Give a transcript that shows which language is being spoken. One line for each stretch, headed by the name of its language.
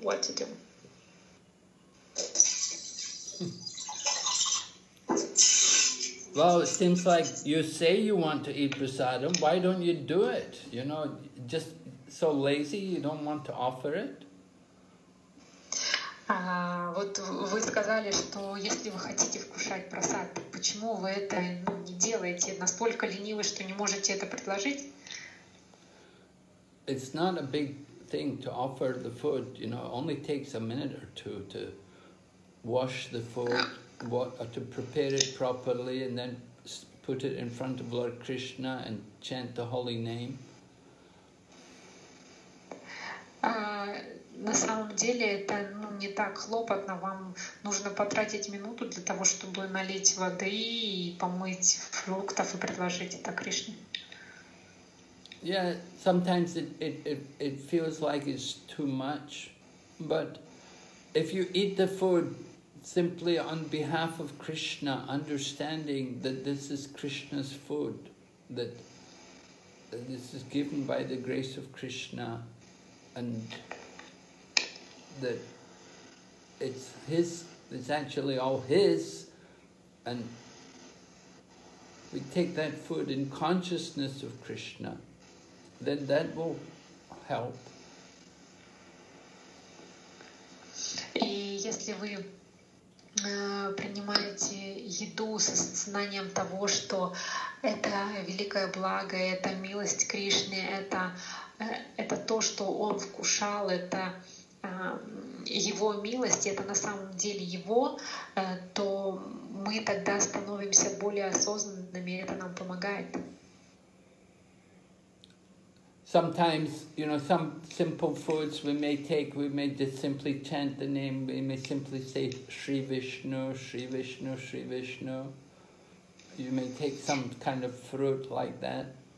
English: What to do? Well, it seems like you say you want to eat prasadam. Why don't you do it? You know, just so lazy, you don't want to offer it?
Russian: Вот вы сказали, что если вы хотите вкушать просад, почему вы это не делаете? Настолько ленивы, что не можете это предложить?
English: It's not a big thing to offer the food, you know, it only takes a minute or two to wash the food, to prepare it properly, and then put it in front of Lord Krishna and chant the holy name.
Russian: На самом деле это не так хлопотно. Вам нужно потратить минуту для того, чтобы налить воды и помыть фруктов и предложить это Кришне.
English: Yeah, sometimes it feels like it's too much, but if you eat the food simply on behalf of Krishna, understanding that this is Krishna's food, that this is given by the grace of Krishna, and that it's actually all his, and we take that food in consciousness of Krishna, then that will help.
Russian: И если вы принимаете еду с осознанием того, что это великое благо, это милость Кришны, это то, что он вкушал, это его милость, это на самом деле его, то мы тогда становимся более осознанными, и это нам помогает.
English: Sometimes, you know, some simple foods we may take, we may just simply chant the name, we may simply say Shri Vishnu, Shri Vishnu, Shri Vishnu. You may take some kind of fruit like that.